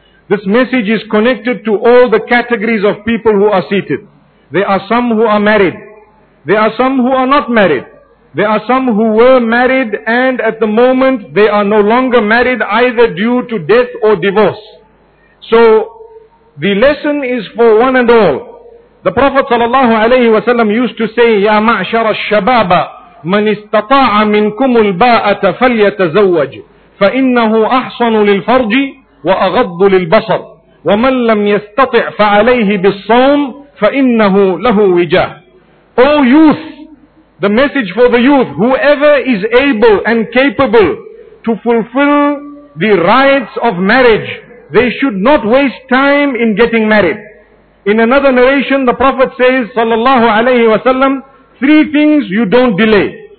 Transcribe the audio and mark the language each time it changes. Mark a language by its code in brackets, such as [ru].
[en] This message is connected to all the categories of people who are seated. There are some who are married. There are some who are not married. There are some who were married and at the moment they are no longer married, either due to death or divorce. So the lesson is for one and all. The Prophet sallallahu alayhi wa sallam used to say, [ar] يَا مَعْشَرَ الشَّبَابَ مَنِ اسْتَطَاعَ مِنْكُمُ الْبَاءَةَ فَلْيَتَزَوَّجْ فَإِنَّهُ أَحْصَنُ لِلْفَرْجِ وَأَغَضُّ لِلْبَصَرِ وَمَنْ لَمْ يَسْتَطِعْ فَعَلَيْهِ بِالصَّوْمِ فَإِنَّهُ لَهُ وِجَاهٌ. [en] O youth, the message for the youth, whoever is able and capable to fulfill the rites of marriage, they should not waste time in getting married. In another narration, the Prophet says, sallallahu alayhi wa sallam, three things you don't delay.